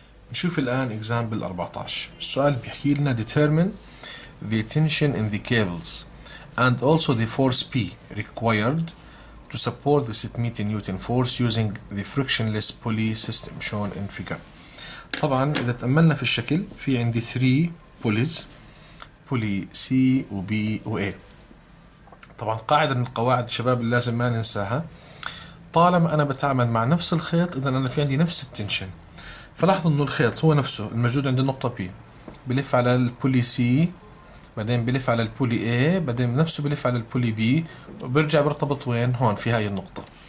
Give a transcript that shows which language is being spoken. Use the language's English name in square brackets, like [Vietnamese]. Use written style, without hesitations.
[Arabic] نشوف الآن example 14. السؤال بيحكي لنا [English] determine the tension in the cables and also the force P required to support the 600 newton force using the frictionless pulley system shown in figure. [Arabic] طبعا إذا تأملنا في الشكل في عندي [English] 3 pulleys, pulley C [Arabic] و B و A. طبعا قاعدة من القواعد الشباب اللي لازم ما ننساها, طالما أنا بتعامل مع نفس الخيط إذا أنا في عندي نفس التنشن. فلاحظوا إنه الخيط هو نفسه الموجود عند النقطة P بلف على البولي C, بعدين بلف على البولي A, بعدين نفسه بلف على البولي B, وبرجع برتبط وين؟ هون في هاي النقطة.